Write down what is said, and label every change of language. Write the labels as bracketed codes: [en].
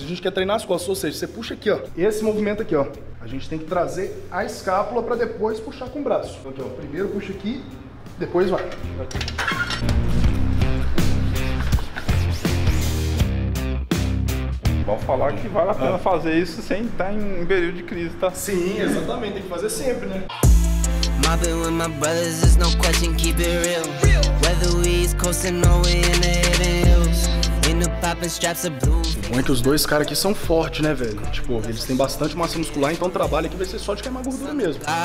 [pt] A gente quer treinar as costas. Ou seja, você puxa aqui, ó. Esse movimento aqui, ó. A gente tem que trazer a escápula pra depois puxar com o braço. Aqui, ó. Primeiro puxa aqui, depois vai. Vamos falar que vale a pena fazer isso sem estar em período de crise, tá? Sim, exatamente. Tem que fazer sempre, né? [en] Mobbing with my brothers is no question, keep it real. Whether we is coasting or we in the hidden hills. In the popping straps of blue. [pt] Suponho que os dois caras aqui são fortes, né, velho? Tipo, eles têm bastante massa muscular, então o trabalho aqui vai ser só de queimar gordura mesmo.